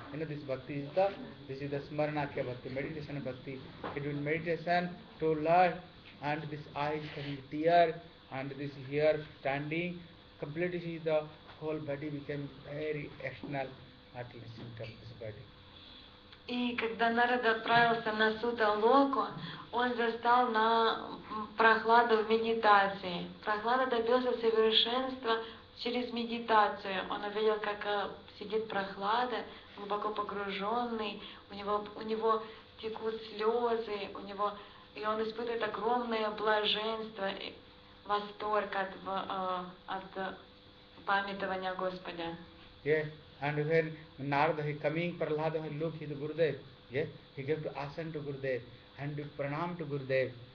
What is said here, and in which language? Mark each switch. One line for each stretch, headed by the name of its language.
English: You know this bhakti is the, this is the Smaranakya bhakti, meditation bhakti. He doing meditation to learn, and this eyes coming tear, and this here standing, completely the whole body became very external, at least in terms of this body.
Russian: И когда Нарада отправился на Сута Локу, он застал на прохладу в медитации. Прохлада добился совершенства через медитацию. Он увидел, как сидит прохлада, глубоко погруженный, у него текут слезы, у него, и он испытывает огромное блаженство, восторг от памятования Господа.
English: Yeah. And when Narada he coming, Prahlada he look, he the Gurudev, yeah? He gave the asana to Gurudev, and pranam to Gurudev.